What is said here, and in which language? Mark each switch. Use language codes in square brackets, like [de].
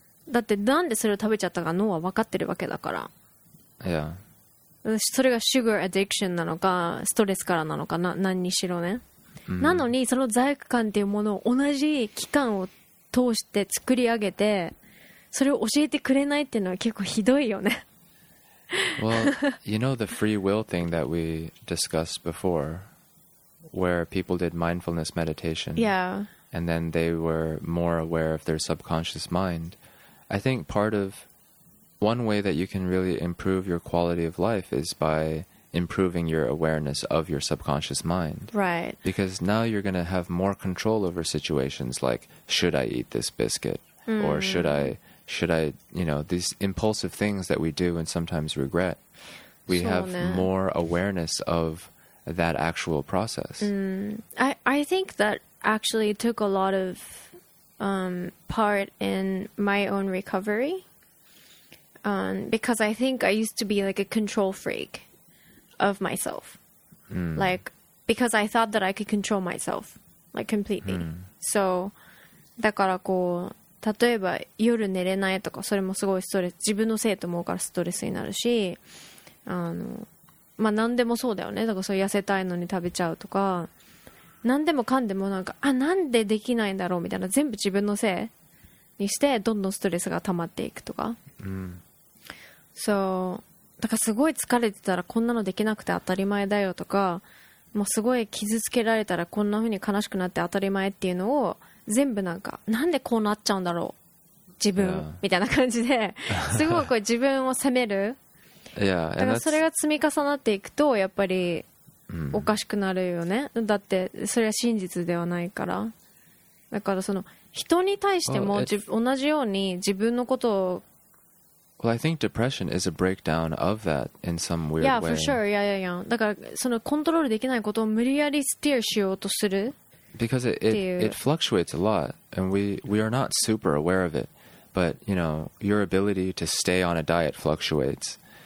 [ja] だってなんでそれを食べちゃったか脳は分かってるわけだから。いや。それがシュガーアディクションなのか、ストレスからなのか、何にしろね。なのにその罪悪感っていうものを同じ期間を通して作り上げてそれを教えてくれないっていうのは結構ひどいよね。 [en] Well, you know the free will thing that we discussed before where people did mindfulness meditation. Yeah. And then they were more aware of their subconscious mind. I think part of one way that you can really improve your quality of life is byimproving your awareness of your subconscious mind. Right. Because now you're going to have more control over situations like, should I eat this biscuit? Or should I, you know, these impulsive things that we do and sometimes regret. We have more awareness of that actual process. I think that actually took a lot of part in my own recovery. Because I think I used to be like a control freak. Of myself, like because I thought that I could control myself, like completely. So, [ja] だからこう例えば夜寝れないとかそれもすごいストレス、自分のせいと思うからストレスになるし、まあ何でもそうだよね。だからそう痩せたいのに食べちゃうとか、何でもかんでもなんかあなんでできないんだろうみたいな全部自分のせいにしてどんどんストレスが溜まっていくとか。 [en] So. [ja] だからすごい疲れてたらこんなのできなくて当たり前だよとか、もうすごい傷つけられたらこんな風に悲しくなって当たり前っていうのを全部なんかなんでこうなっちゃうんだろう自分、yeah. みたいな感じですごいこう自分を責める [en] yeah, [ja] だからそれが積み重なっていくとやっぱりおかしくなるよね、だってそれは真実ではないから。だからその人に対しても同じように自分のことを [en] Well, I think depression is a breakdown of that in some weird way. Yeah, for sure. [ja] だからそのコントロールできないことを無理やりスティアしようとする。 [en] Because it fluctuates a lot, and we are not super aware of it. But, you know, your ability to stay on a diet fluctuates.